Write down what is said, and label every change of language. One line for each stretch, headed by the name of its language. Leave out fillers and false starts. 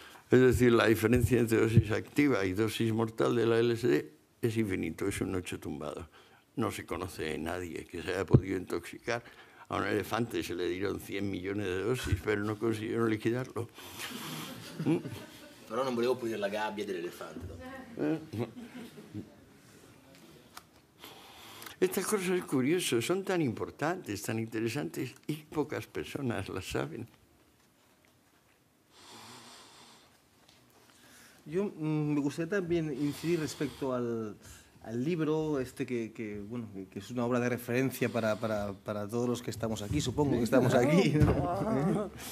Spanish: Es decir, la diferencia entre dosis activa y dosis mortal de la LSD es infinito, es un 8 tumbado. No se conoce a nadie que se haya podido intoxicar. A un elefante se le dieron 100 millones de dosis, pero no consiguieron liquidarlo.
Italian: Pero no volevo pulire la gabbia del elefante.
Spanish: ¿No? Estas cosas curiosas son tan importantes, tan interesantes, y pocas personas las saben. Yo me gustaría también incidir respecto al libro este que es una obra de referencia para todos los que estamos aquí, supongo que estamos aquí, ¿no?